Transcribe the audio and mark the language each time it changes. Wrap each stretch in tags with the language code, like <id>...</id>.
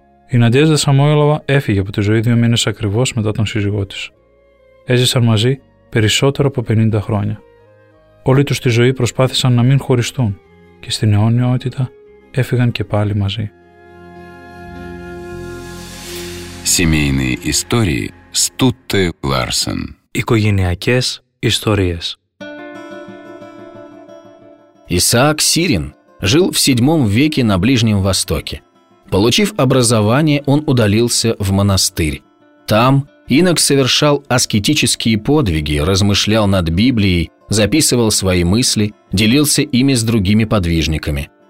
<el>Η Ναντέζδα Σαμόιλοβα έφυγε από τη ζωή 2 μήνες ακριβώς μετά τον σύζυγό της. Έζησαν μαζί περισσότερο από 50 χρόνια. Όλοι τους τη ζωή προσπάθησαν να μην χωριστούν και στην αιώνιότητα έφυγαν και πάλι μαζί.</el> <ru>Семейные истории Стутте Ларсен.</ru> <el>Οικογενειακές ιστορίες.</el> <ru>Исаак Сирин жил в VII веке на Ближнем Востоке. Получив образование, он удалился в монастырь. Там инок совершал аскетические подвиги, размышлял над Библией, записывал свои мысли, делился ими с другими подвижниками.</ru>